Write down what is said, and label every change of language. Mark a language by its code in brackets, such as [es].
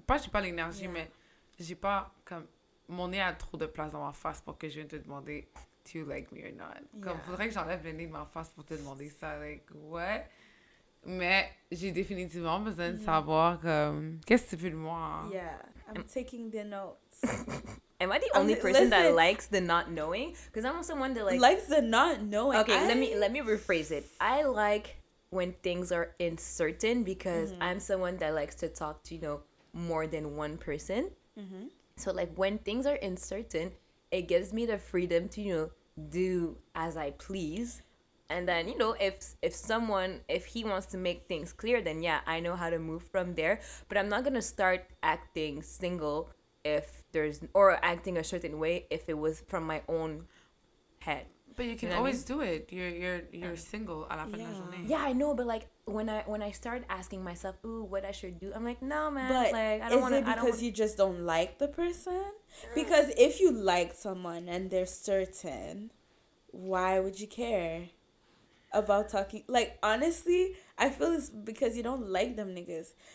[fr] Pas j'ai pas l'énergie, yeah. mais j'ai pas, comme, mon nez a trop de place dans ma face pour que je vienne te demander [en] do you like me or not. [fr] Yeah. Comme, faudrait que j'enlève le nez de ma face pour te demander ça. [en] Like, what? [fr] Mais j'ai définitivement besoin de savoir, qu'est-ce que tu veux de moi? [en] Yeah, I'm taking the notes. Am I the only person that likes the not knowing? Because I'm also one that, like... Likes the not knowing. Okay, let me rephrase it. I like when things are uncertain because mm-hmm. I'm someone that likes to talk to, you know, more than one person. Mm-hmm. So, like, when things are uncertain, it gives me the freedom to, you know, do as I please. And then, you know, if he wants to make things clear, then, yeah, I know how to move from there. But I'm not going to start acting single if there's... Or acting a certain way if it was from my own head. But you can always do it. You're single [fr] à la fin de la journée. [en] Yeah, I know. But, like, when I start asking myself, ooh, what I should do, I'm like, no, man. But like, I don't is it because don't you just don't like the person? Because if you like someone and they're certain, why would you care about talking? Like, honestly, I feel it's because you don't like them niggas.